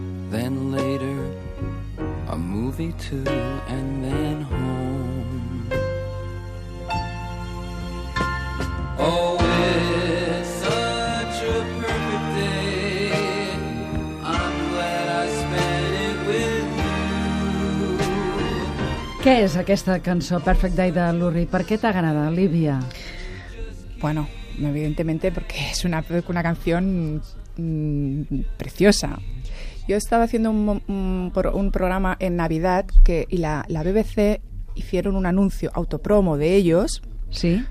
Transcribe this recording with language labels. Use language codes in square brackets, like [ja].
[en] Then later, a movie too, and then home. Oh, it's such a perfect day. I'm glad I spent it with you. [ca] Què és aquesta cançó, Perfect Day, de Lou Reed? Per què t'agrada, Olivia? [es] Bueno, evidentemente porque es una canción preciosa. Yo estaba haciendo un programa en Navidad y la BBC hicieron un anuncio autopromo de ellos, ¿sí?,